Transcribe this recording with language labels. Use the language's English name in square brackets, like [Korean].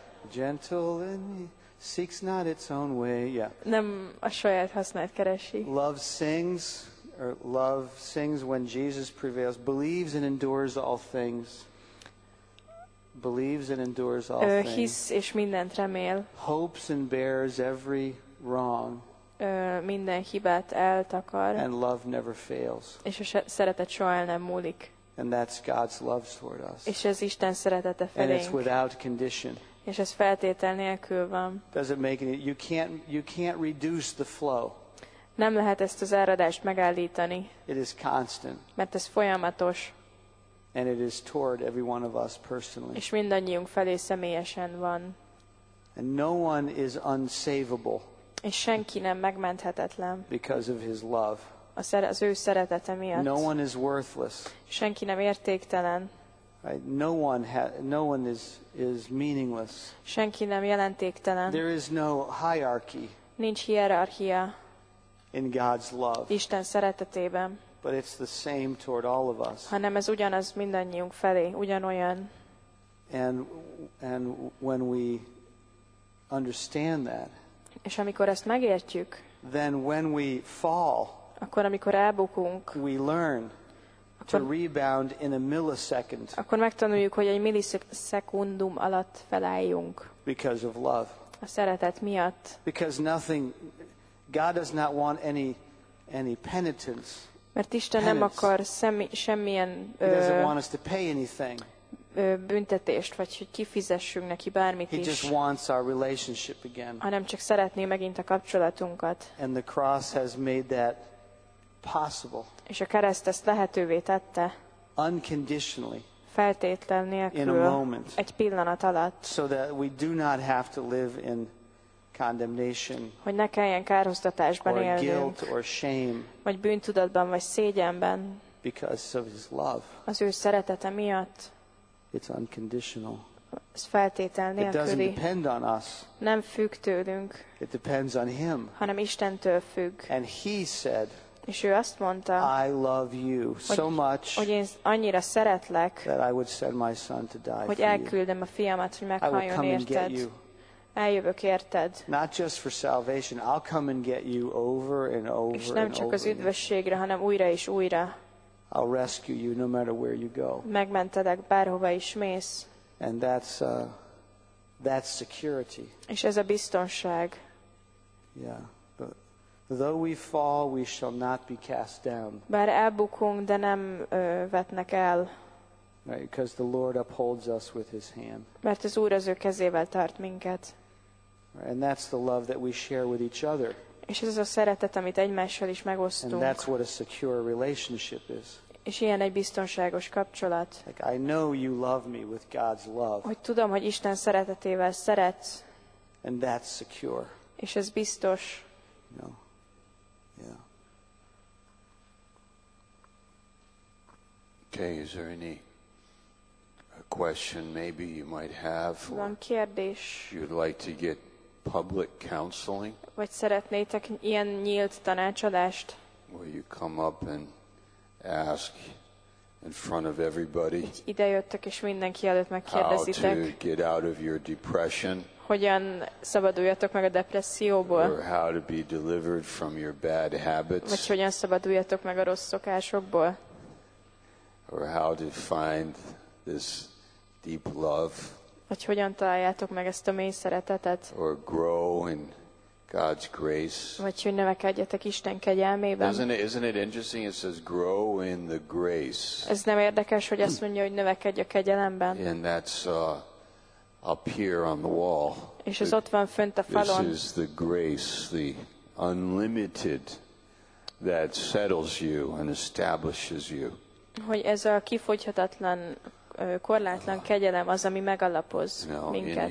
[English] Gentle and seeks not its own way. Yeah. [Hungarian] Nem a saját hasznát keresi. [English] Love sings when Jesus prevails. Believes and endures all things. Believes and endures all things. [Hungarian] Hisz és mindent remél. [English] Hopes and bears every wrong. [Hungarian] Minden hibát eltakar. [English] And love never fails. [Hungarian] És a szeretet soha el nem múlik. [English] And that's God's love toward us. [Hungarian] És ez Isten szeretete felénk. [English] And it's without condition. [Hungarian] És ez feltétel nélkül van. [English] Does it make any, you can't reduce the flow. [Hungarian] Nem lehet ezt az áradást megállítani. [English] It is constant. [Hungarian] Mert ez folyamatos. [English] And it is toward every one of us personally. [Hungarian] És mindannyiunk felé személyesen van. [English] And no one is unsavable. [Hungarian] És senki nem megmenthetetlen. [English] Because of his love. [Hungarian] Az ő szeretete miatt. [English] No one is worthless. [Hungarian] Senki nem értéktelen. [English] Right? No one is meaningless. [Hungarian] Senki nem jelentéktelen. [English] There is no hierarchy. [Hungarian] Nincs hierarchia. [English] In God's love. [Hungarian] Isten szeretetében. [English] But it's the same toward all of us. [Hungarian] Hanem ez ugyanaz mindannyiunk felé, ugyanolyan. [English] And when we understand that. [Hungarian] És amikor ezt megértjük. [English] Then when we fall. [Hungarian] Akkor amikor elbukunk. [English] We learn. To rebound in a millisecond. [Hungarian] Akkor megtanuljuk, hogy egy millisekundum alatt felálljunk. [English] Because of love. [Hungarian] A szeretet miatt. [English] Because nothing, God does not want any penitence. [Hungarian] Mert Isten nem akar semmilyen. [English] He doesn't want us to pay anything. [Hungarian] Büntetést, vagy hogy kifizessünk neki bármit is. [English] He just wants our relationship again. [Hungarian] Hanem csak szeretné megint a kapcsolatunkat. [English] And the cross has made that possible. [Hungarian] És a kereszt ezt lehetővé tette. [English] Unconditionally. [Hungarian] Feltétlen nélkül. [English] In a moment. [Hungarian] Egy pillanat alatt. [English] So that we do not have to live in condemnation. [Hungarian] Hogy ne kelljen kárhoztatásban élnünk. [English] Or guilt or shame. [Hungarian] Vagy bűntudatban vagy szégyenben. [English] Because of his love. [Hungarian] Az ő szeretete miatt. [English] It's unconditional. [Hungarian] Ez feltétel nélküli. [English] It doesn't depend on us. [Hungarian] Nem függ tőlünk. [English] It depends on him. [Hungarian] Hanem Istentől függ. [English] And he said, [Hungarian] és ő azt mondta, [English] I love you so much, [Hungarian] hogy én annyira szeretlek, [English] that I would send my son to die [Hungarian] hogy [English] for [Hungarian] elküldöm [English] you. [Hungarian] A fiamat, hogy meghalljon érted. [English] I will come and get you. [Hungarian] Eljövök érted. [English] Not just for salvation, I'll come and get you over and over. [Hungarian] És nem csak az üdvösségre, hanem újra és újra. [English] I'll rescue you no matter where you go. [Hungarian] Megmentedek bárhova is mész. [English] And that's security. [Hungarian] És ez a biztonság. [English] Yeah. But though we fall, we shall not be cast down. [Hungarian] Bár elbukunk, de nem vetnek el. [English] Right, because the Lord upholds us with his hand. [Hungarian] Mert az Úr az ő kezével tart minket. [English] And that's the love that we share with each other. [Hungarian] És ez az a szeretet, amit egymással is megosztunk. [English] And that's what a secure relationship is. [Hungarian] És ilyen egy biztonságos kapcsolat. [English] Like, I know you love me with God's love. [Hungarian] Hogy tudom, hogy Isten szeretetével szeretsz. [English] And that's secure. [Hungarian] És ez biztos. [English] No. Yeah. Okay, is there any question maybe you might have? [Hungarian] Van kérdés. [English] You'd like to get public counseling? [Hungarian] Vagy szeretnétek ilyen nyílt tanácsadást? [English] Will you come up and ask in front of everybody [Hungarian] idejöttök és mindenki előtt megkérdezitek, [English] how to get out of your depression, [Hungarian] hogyan szabaduljatok meg a depresszióból, [English] or how to be delivered from your bad habits, [Hungarian] vagy hogyan szabaduljatok meg a rossz szokásokból, [English] or how to find this deep love, [Hungarian] vagy hogyan találjátok meg ezt a mély szeretetet, [English] or grow in God's grace. [Hungarian] Vagy hogy növekedjetek Isten kegyelmében. [English] Isn't it interesting? It says, "Grow in the grace." [Hungarian] Ez nem érdekes, hogy azt mondja, hogy növekedj a kegyelemben. [English] And that's up here on the wall. [Hungarian] És ez ott van fönt a falon. [English] This is the grace, the unlimited, that settles you and establishes you. [Hungarian] Hogy ez a kifogyhatatlan, korlátlan kegyelem az, ami megalapoz minket.